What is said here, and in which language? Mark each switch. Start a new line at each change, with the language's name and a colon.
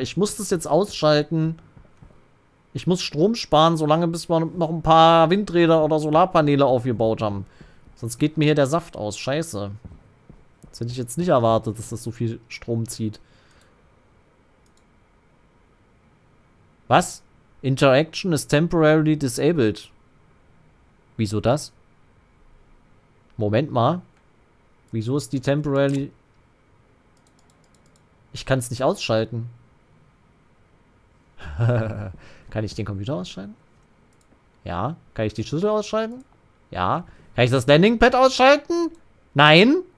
German: Ich muss das jetzt ausschalten. Ich muss Strom sparen, solange bis wir noch ein paar Windräder oder Solarpaneele aufgebaut haben. Sonst geht mir hier der Saft aus. Scheiße. Das hätte ich jetzt nicht erwartet, dass das so viel Strom zieht. Was?
English: Interaction is temporarily disabled.
German: Wieso das? Moment mal. Wieso ist die temporarily... Ich kann es nicht ausschalten. Kann ich den Computer ausschalten? Ja. Kann ich die Schlüssel ausschalten? Ja. Kann ich das Landingpad ausschalten? Nein.